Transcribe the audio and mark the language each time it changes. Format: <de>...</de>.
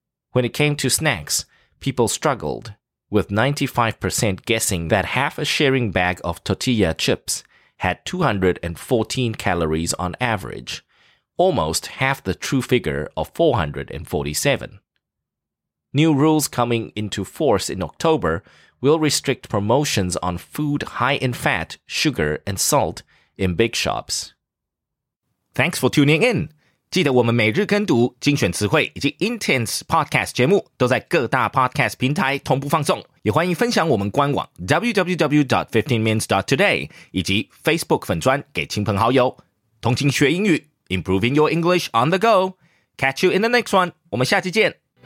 <en>When it came to snacks, people struggled, with 95% guessing that half a sharing bag of tortilla chips had 214 calories on average, almost half the true figure of 447. New rules coming into force in October will restrict promotions on food high in fat, sugar, and salt in big shops. Thanks for tuning in.</en> <zh>记得我们每日跟读精选词汇以及 Intense Podcast 节目都在各大 Podcast 平台同步放送。也欢迎分享我们官网 www.15minutes.today 以及 Facebook 粉专给亲朋好友。同情学英语</zh> <en>,improving your English on the go. Catch you in the next one.</en> <zh>我们下期见。</zh>